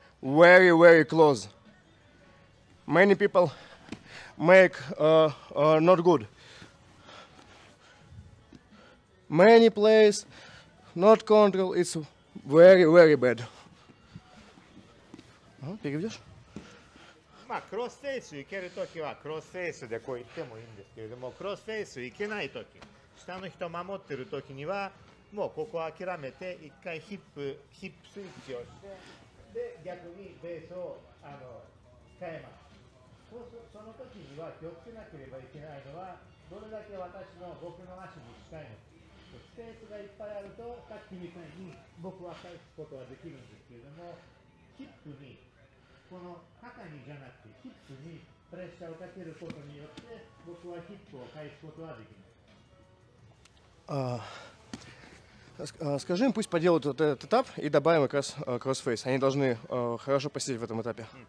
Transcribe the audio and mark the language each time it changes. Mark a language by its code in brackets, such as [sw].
[en] Very, very close. Many people make not good. Many plays, not control, it's very, very bad. [ja] まあ、クロスフェイス行けるときはクロスフェイスでこう言ってもいいんですけれども、クロスフェイス行けないとき、下の人守ってるときには、もうここを諦めて、一回ヒップスイッチをして、で、逆にベースをあの変えます。その時には気をつけなければいけないのは、どれだけ私の僕の足に近いのか。スペースがいっぱいあると、さっきみたいに僕は返すことはできるんですけれども、ヒップに、この肩にじゃなくてヒップにプレッシャーをかけることによって、僕はヒップを返すことはできない。 [ru] скажи им, пусть поделают вот этот этап и добавим как раз кроссфейс. Они должны хорошо посидеть в этом этапе.